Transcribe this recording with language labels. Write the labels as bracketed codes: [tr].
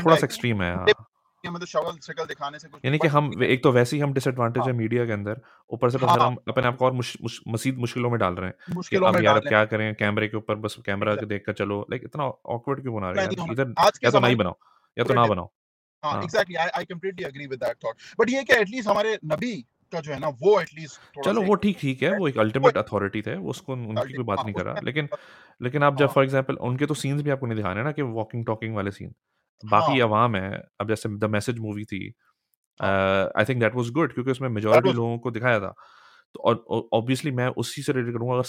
[ur] تھوڑا سا ایکسٹریم ہے کہ ہمیں تو شاول سکل دکھانے سے یعنی کہ ہم ایک تو ویسے ہی ہم ڈس ایڈوانٹیج ہے میڈیا کے اندر, اوپر سے ہم اپنے آپ کو اور مزید مشکلوں میں ڈال رہے ہیں کہ اب یار کیا کریں, کیمرے کے اوپر بس کیمرہ دیکھ کر چلو, لائک اتنا آکورڈ کیوں بنا رہے ہیں, ادھر یا تو نہ ہی بناؤ یا تو نہ بناؤ. [en] Exactly, I completely agree with that thought. [ur] But یہ کہ at least ہمارے نبی کا جو ہے نا وہ at least چلو وہ ٹھیک ٹھیک ہے, وہ ایک الٹیمیٹ اتھارٹی تھے, وہ اس کو ان کی کوئی بات نہیں کر رہا, لیکن لیکن آپ جب فار ایگزامپل ان کے تو سینس بھی آپ کو نہیں دکھانے نا کہ واکنگ ٹاکنگ والے سین, باقی عوام ہے. اب جیسے دا میسج مووی تھی, [en] I think that was good [ur] کیونکہ اس میں میجورٹی لوگوں کو دکھایا تھا, تو آبویسلی میں اسی سے ریلیٹ کروں گا.